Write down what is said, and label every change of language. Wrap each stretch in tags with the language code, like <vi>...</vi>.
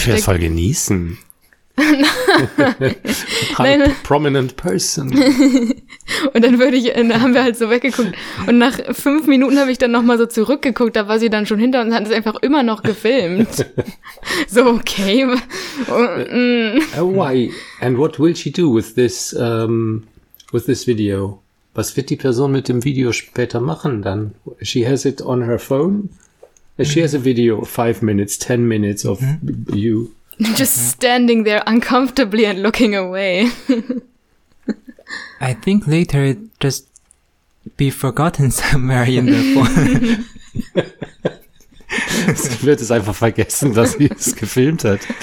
<de>Ich werde es voll genießen. Nein.</de> <en>Prominent person.</en> <de>Und dann haben wir halt so weggeguckt. Und nach 5 Minuten habe ich dann nochmal so zurückgeguckt. Da war sie dann schon hinter uns und hat es einfach immer noch gefilmt. So, okay.</de> <en>Why? And what will she do with this video?</en> <de>Was wird die Person mit dem Video später machen dann?</de> <en>She has it on her phone? She has a video of 5 minutes, 10 minutes of you. Just standing there uncomfortably and looking away. I think later it just be forgotten somewhere in the phone.</en> <de>Sie wird es einfach vergessen, dass sie es gefilmt hat.</de>